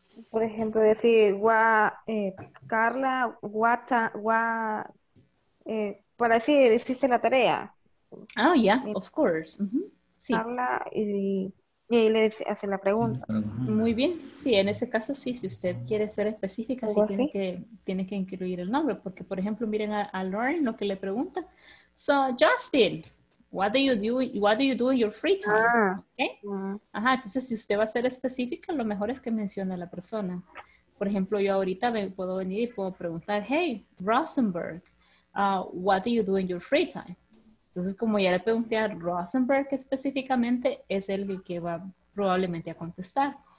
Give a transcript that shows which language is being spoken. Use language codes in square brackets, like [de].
[es] Por ejemplo, decir, Carla, para decir, hiciste la tarea. [en] Ah, oh, ya, yeah, of course. [es] Sí. Carla y ahí le hace la pregunta. Muy bien. Sí, en ese caso sí, si usted quiere ser específica, sí tiene que incluir el nombre. Porque, por ejemplo, miren a Lauren lo que le pregunta. [en] So, Justin, what do you do in your free time? [es] Ajá, entonces si usted va a ser específica, lo mejor es que mencione a la persona. Por ejemplo, yo ahorita me puedo venir y puedo preguntar, [en] hey, Rosenberg, what do you do in your free time? [es] Entonces, como ya le pregunté a Rosenberg específicamente, es el que va probablemente a contestar.